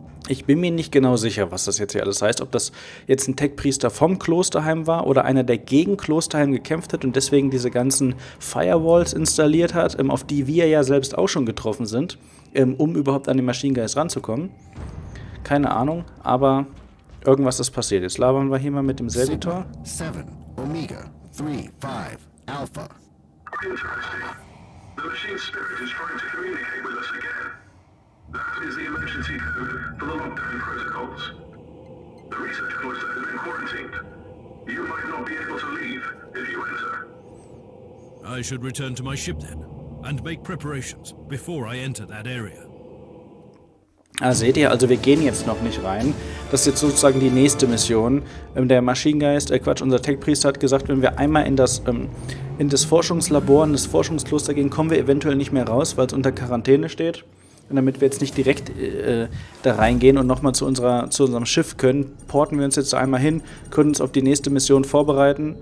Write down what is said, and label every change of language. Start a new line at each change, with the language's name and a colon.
German: Ich bin mir nicht genau sicher, was das jetzt hier alles heißt. Ob das jetzt ein Tech-Priester vom Klosterheim war oder einer, der gegen Klosterheim gekämpft hat und deswegen diese ganzen Firewalls installiert hat, auf die wir ja selbst auch schon getroffen sind, um überhaupt an den Maschinengeist ranzukommen. Keine Ahnung, aber irgendwas ist passiert. Jetzt labern wir hier mal mit dem Servitor.
English: 7, Omega, 3, 5, Alpha. Interesting. The machine spirit is trying to communicate with us again. That is the emergency code for the lockdown protocols. The research cluster has been quarantined. You might not be able to leave if you enter. I should return to my ship then and make preparations before I enter that area.
German: Ah, seht ihr, also wir gehen jetzt noch nicht rein. Das ist jetzt sozusagen die nächste Mission. Der Maschinengeist, unser Tech-Priester hat gesagt, wenn wir einmal in das Forschungslabor, in das Forschungskloster gehen, kommen wir eventuell nicht mehr raus, weil es unter Quarantäne steht. Und damit wir jetzt nicht direkt da reingehen und nochmal zu unserem Schiff können, porten wir uns jetzt einmal hin, können uns auf die nächste Mission vorbereiten.